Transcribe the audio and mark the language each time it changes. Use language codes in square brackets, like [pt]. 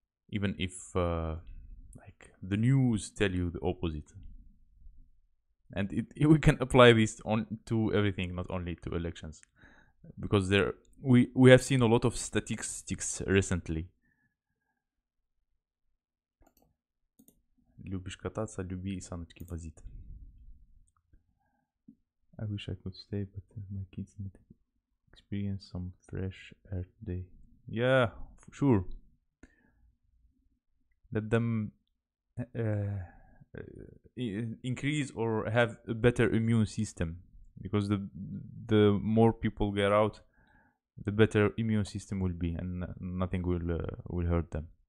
[en] Even if like the news tell you the opposite, and it we can apply this on to everything, not only to elections, because there we have seen a lot of statistics recently. [ru] Любишь кататься, люби и саночки возить. [en] I wish I could stay, but my kids need to experience some fresh air today. Yeah, sure. Let them increase or have a better immune system, because the more people get out, the better immune system will be, and nothing will hurt them.